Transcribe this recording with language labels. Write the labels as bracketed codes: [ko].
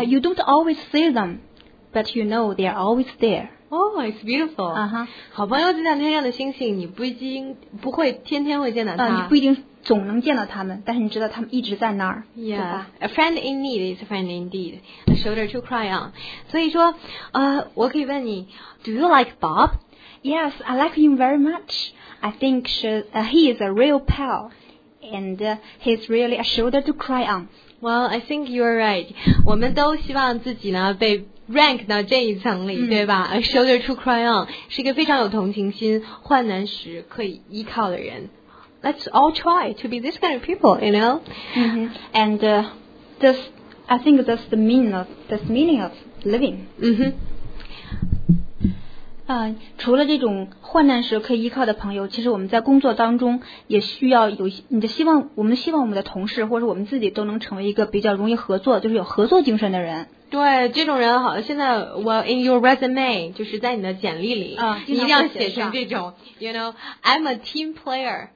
[en] you don't always see them, but you know they are always there。 Oh, it's beautiful. 啊哈， [zh] 好朋友就像天上的星星，你不会天天会见到他。你不一定。总能见到他们，但是你知道他们一直在那儿。 [en] Yeah, a friend in need is a friend indeed, a shoulder to cry on. [zh] 所以说我可以问你 [en] do you like Bob? Yes, I like him very much. I think he is a real pal and he's really a shoulder to cry on. Well, I think you're right. [zh] 我们都希望自己呢被rank 到这一层里、嗯、对吧？ [en] A shoulder to cry on [zh] 是一个非常有同情心患难时可以依靠的人。 [en] Let's all try to be this kind of people, you know?、 Mm-hmm. And this, I think that's the meaning of living. Mm-hmm. [zh] 除了这种患难时可以依靠的朋友，其实我们在工作当中也需要有你的希望，我们希望我们的同事或者我们自己都能成为一个比较容易合作，就是有合作精神的人。对，这种人好，现在 [en] well in your resume [zh] 就是在你的简历里，你一定要写成这种 [en] you know I'm a team player。